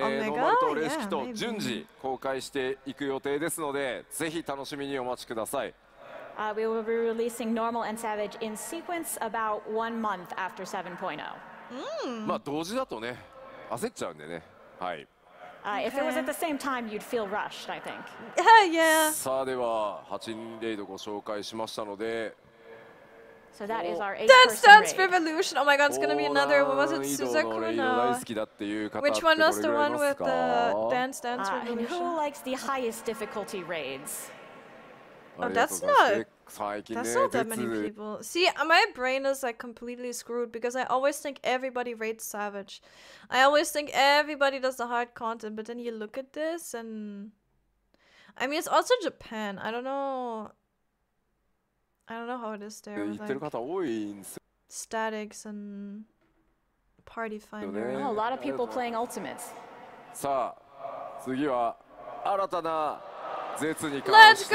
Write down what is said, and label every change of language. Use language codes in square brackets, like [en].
[ja] ノーマルとレシキと順次公開していく予定ですので、ぜひ楽しみにお待ちください。 [en] We will be releasing normal and savage in sequence about 1 month after 7.0. [ja] まあ同時だとね、焦っちゃうんでね、はい。 [en] If it was at the same time, you'd feel rushed, I think. Yeah. [ja] さあでは8人レイドご紹介しましたので。 [en] So that is our That's revolution. Oh my god, it's gonna be another. What was it, Suzukuna? [ja] 大好きだっていう方。 [en] Which one was the one with the dance revolution? Who likes the highest difficulty raids? Oh, that's not. That's not that many people. See, my brain is like completely screwed because I always think everybody raids Savage. I always think everybody does the hard content, but then you look at this and... I mean, it's also Japan. I don't know how it is there with like statics and party finder. Oh, a lot of people playing Ultimate. [ja] さあ、次は新たな絶に関して。